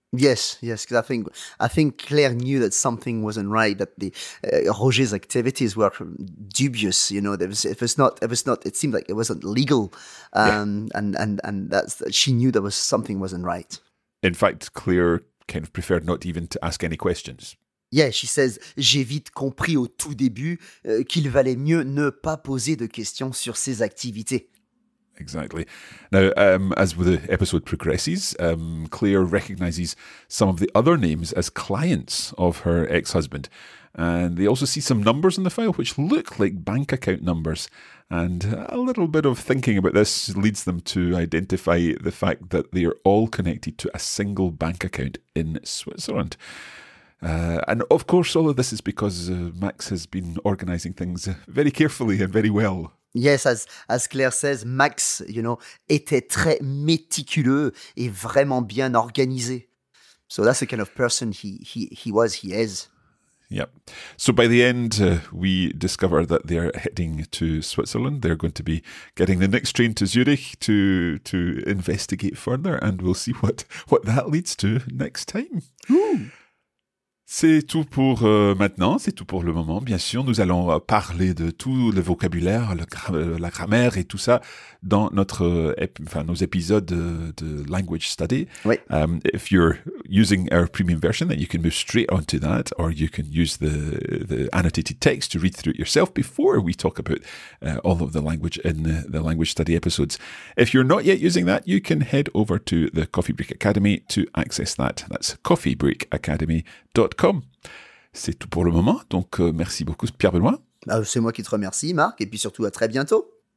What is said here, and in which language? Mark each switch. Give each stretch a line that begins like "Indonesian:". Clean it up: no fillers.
English: Yes, because I think Claire knew that something wasn't right, that the Roger's activities were dubious, you know, it seemed like it wasn't legal, and that's, she knew there was something wasn't right. In fact, Claire kind of preferred not even to ask any questions. Yeah, she says,
French: j'ai vite compris au tout début qu'il valait mieux ne pas poser de questions sur ses activités.
English: Exactly. Now, as the episode progresses, Claire recognizes some of the other names as clients of her ex-husband. And they also see some numbers in the file which look like bank account numbers. And a little bit of thinking about this leads them to identify the fact that they are all connected to a single bank account in Switzerland. And of course, all of this is because Max has been organizing things very carefully and very well. Yes, as Claire says, Max, you know,
French: était très méticuleux et vraiment bien organisé.
English: So that's the kind of person he is. Yep. So by the end, we discover that they're heading to Switzerland. They're going to be getting the next train to Zurich to investigate further. And we'll see what that leads to next time. Ooh.
French: C'est tout pour maintenant, c'est tout pour le moment. Bien sûr, nous allons parler de tout le vocabulaire, la grammaire et tout ça dans notre, nos épisodes de Language Study. Oui.
English: If you're using our premium version, then you can move straight onto that, or you can use the annotated text to read through it yourself before we talk about all of the language in the Language Study episodes. If you're not yet using that, you can head over to the Coffee Break Academy to access that. That's coffeebreakacademy.com.
French: C'est tout pour le moment, donc merci beaucoup Pierre-Benoît. Bah, c'est moi qui te remercie Marc, et puis surtout à très bientôt.